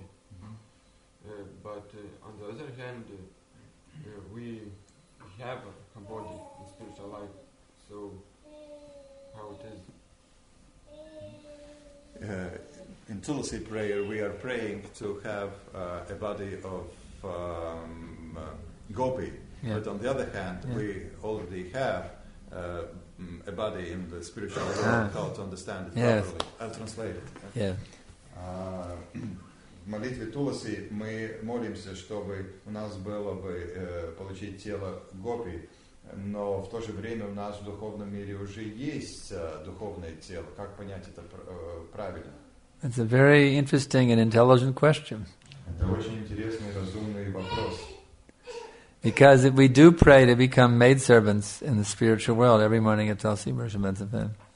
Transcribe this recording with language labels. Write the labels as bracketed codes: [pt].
[en] Mm-hmm. But on the other hand, we have a body in spiritual life, so how it is? In Tulasi prayer, we are praying to have a body of gopi. Yeah. But on the other hand, yeah, we already have a body in the spiritual world. Ah. How to understand it properly? Yes. I'll translate it. Yeah. [ru] В молитве Туласи мы молимся, чтобы у нас было бы получить тело гопи, но в то же время у нас в духовном мире уже есть духовное тело. Как понять это правильно? [en] It's a very interesting and intelligent question. [ru] Это очень интересный, разумный вопрос. [en] Because if we do pray to become maidservants in the spiritual world every morning at Tulsi Mrishamanta Fan.